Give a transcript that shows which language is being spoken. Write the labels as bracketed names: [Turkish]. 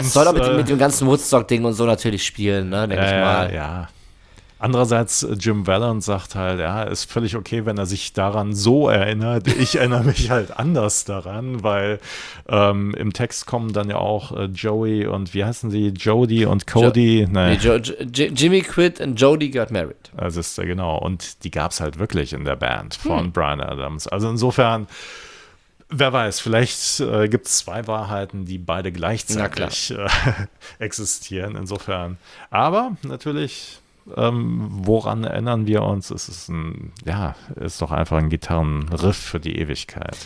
[German] es soll doch mit dem ganzen Woodstock-Ding und so natürlich spielen, ne, denke ich mal. Ja. Andererseits, Jim Vallon sagt halt, ja, ist völlig okay, wenn er sich daran so erinnert. Ich erinnere mich halt anders daran, weil im Text kommen dann ja auch Joey und wie heißen sie? Jody und Cody? [English] Jimmy quit and Jody got married. [German] Also ist ja genau. Und die gab es halt wirklich in der Band von Brian Adams. Also insofern. Wer weiß, vielleicht gibt es zwei Wahrheiten, die beide gleichzeitig existieren, insofern. Aber natürlich, Woran erinnern wir uns? Es ist ein, ja, ist doch einfach ein Gitarrenriff für die Ewigkeit.